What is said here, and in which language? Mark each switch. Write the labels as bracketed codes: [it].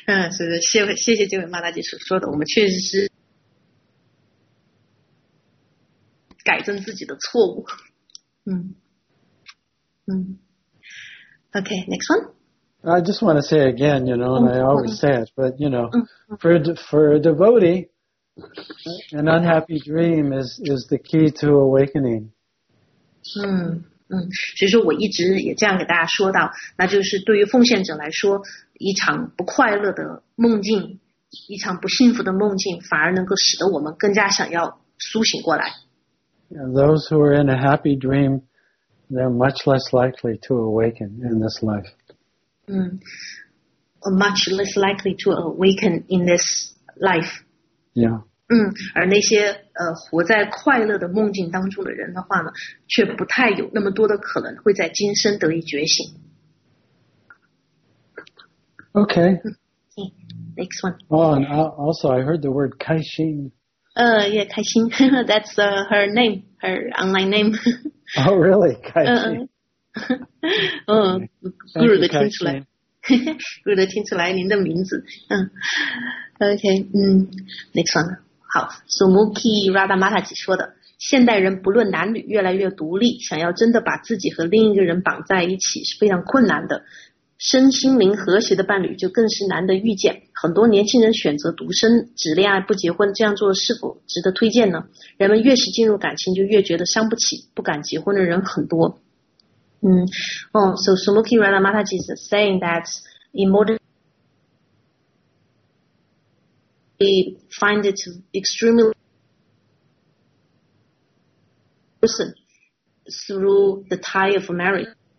[zh] 谢谢这位马大姐所说的，我们确实是改正自己的错误。 [en] Okay, next one. I just want to say again, you know, and I always say it, but you know, for a devotee, an unhappy dream is the key to awakening. [zh] 其实我一直也这样给大家说到，那就是对于奉献者来说，一场不快乐的梦境，一场不幸福的梦境，反而能够使得我们更加想要苏醒过来。 [en] Yeah, those who are in a happy dream, they're much less likely to awaken in this life. Much less likely to awaken in this life. Yeah. [zh] 而那些活在快乐的梦境当中的人的话呢，却不太有那么多的可能会在今生得以觉醒。 [en] Okay. Next one. Oh, and also I heard the word 开心。 Yeah, 开心。That's her name, her online name. Oh, really? 开心。 Okay. [zh] Guru 的听出来。Guru 的听出来您的名字。 [en] Okay, next one. [zh] 好，苏穆基拉达马塔吉说的，现代人不论男女越来越独立，想要真的把自己和另一个人绑在一起是非常困难的，身心灵和谐的伴侣就更是难得遇见。很多年轻人选择独身，只恋爱不结婚，这样做是否值得推荐呢？人们越是进入感情就越觉得伤不起，不敢结婚的人很多。 [en] So 苏穆基拉达马塔吉 is saying that in modernWe find it extremely person through the tie of marriage.